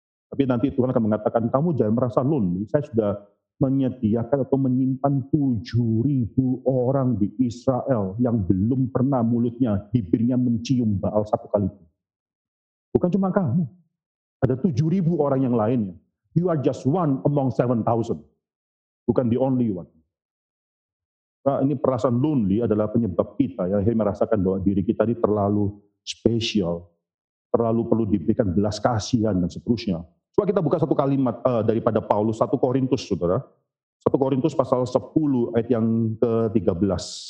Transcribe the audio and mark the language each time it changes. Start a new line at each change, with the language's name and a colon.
Indonesian: Tapi nanti Tuhan akan mengatakan, kamu jangan merasa lonely, saya sudah menyediakan atau menyimpan 7.000 orang di Israel yang belum pernah mulutnya, bibirnya mencium Baal satu kali pun. Bukan cuma kamu, ada 7.000 orang yang lainnya.
English: You are just one among 7,000,
Indonesian: bukan
English: the only one.
Indonesian: Nah, ini perasaan lonely adalah penyebab kita yang akhirnya merasakan bahwa diri kita ini terlalu spesial, terlalu perlu diberikan belas kasihan dan seterusnya. Coba kita buka satu kalimat daripada Paulus, 1 Korintus, saudara. 1 Korintus pasal 10 ayat yang ke-13.